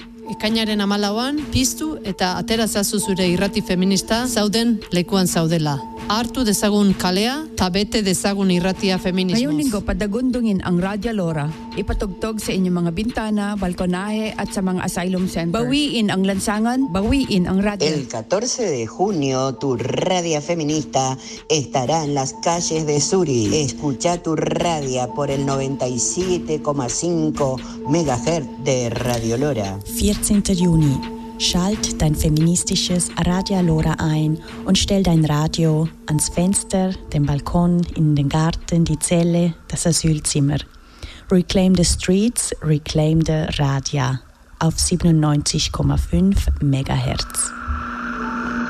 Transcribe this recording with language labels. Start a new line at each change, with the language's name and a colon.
Basque: Ekainaren 14an piztu eta aterazazu zure irrati feminista zauden lekuan zaudela. Hartu dezagun kalea eta bete dezagun irratia feminismoz.
Filipino: Ngayon linggo padagundungin ang Radyo Lora. Ipatugtog sa inyong mga bintana, balkonahe at sa mga asylum center. Bawiin ang lansangan, bawiin ang radyo.
Spanish: El 14 de junio, tu radio feminista estará en las calles de Zurich. Escucha tu radio por el 97,5 MHz de Radio Lora.
German: 14. juni. Schalt dein feministisches Radio Lora ein und stell dein Radio ans Fenster, den Balkon, in den Garten, die Zelle, das Asylzimmer.
English: Reclaim the streets, reclaim the Radio
German: auf
English: 97,5 MHz.